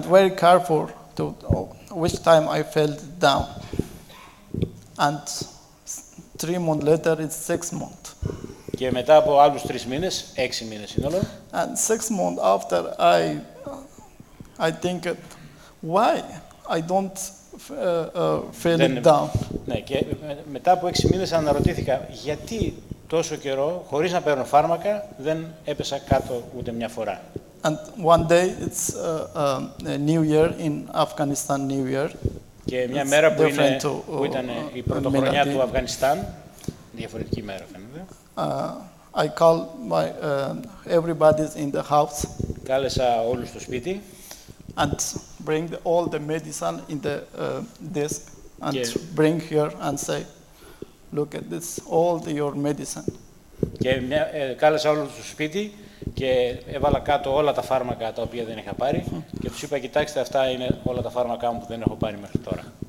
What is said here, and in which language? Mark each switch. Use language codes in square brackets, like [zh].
[en] And very careful to which time I fell down. And 3 months later it's 6 months. [el] Και μετά από άλλους 3 μήνες, 6 μήνες σύνολο. [en] And 6 months after, I think, why I don't fail it down. [el] Ναι, και μετά από 6 μήνες αναρωτήθηκα, γιατί τόσο καιρό, χωρίς να παίρνω φάρμακα, δεν έπεσα κάτω ούτε μια φορά. [en] And one day, it's New Year in Afghanistan, New Year. [el] Και μια it's μέρα που, είναι, to, που ήταν η πρωτοχρονιά του Αφγανιστάν, διαφορετική μέρα φαίνεται. [en] I call my everybody in the house. [el] Κάλεσα όλους στο σπίτι. [en] And bring all the medicine in the desk and bring here and say, look at this, all your medicine. [el] Και κάλεσα όλους στο σπίτι και έβαλα κάτω όλα τα φάρμακα τα οποία δεν είχα πάρει και τους είπα, κοιτάξτε, αυτά είναι όλα τα φάρμακα μου που δεν έχω πάρει μέχρι τώρα.